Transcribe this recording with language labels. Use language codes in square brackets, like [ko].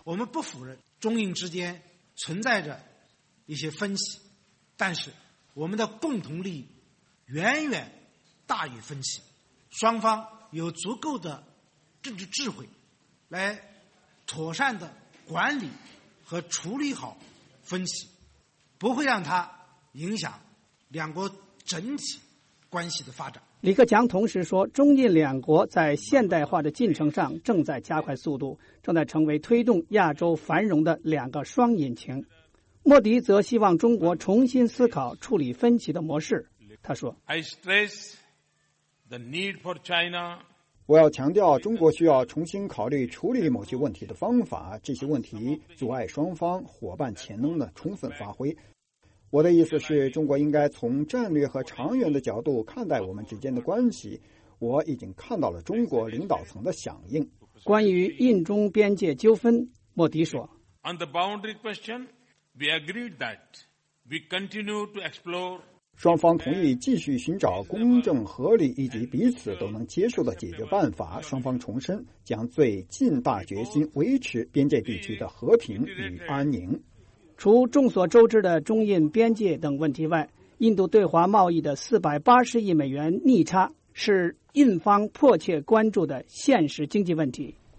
[zh] 我们不否认中印之间存在着一些分歧，但是我们的共同利益远远大于分歧，双方有足够的政治智慧来妥善的管理和处理好分歧，不会让它影响两国整体关系的发展。李克强同时说，中印两国在现代化的进程上正在加快速度，正在成为推动亚洲繁荣的两个双引擎。莫迪则希望中国重新思考处理分歧的模式。他说， [en] I stress the need for China. [zh] 我要强调中国需要重新考虑处理某些问题的方法，这些问题阻碍双方伙伴潜能的充分发挥。我的意思是，中国应该从战略和长远的角度看待我们之间的关系。我已经看到了中国领导层的响应。关于印中边界纠纷，莫迪说， [en] On the boundary question, we agreed that we continue to explore. [zh] 双方同意继续寻找公正、合理以及彼此都能接受的解决办法。双方重申将最近大决心维持边界地区的和平与安宁。除众所周知的中印边界等问题外，印度对华贸易的480亿美元逆差是印方迫切关注的现实经济问题。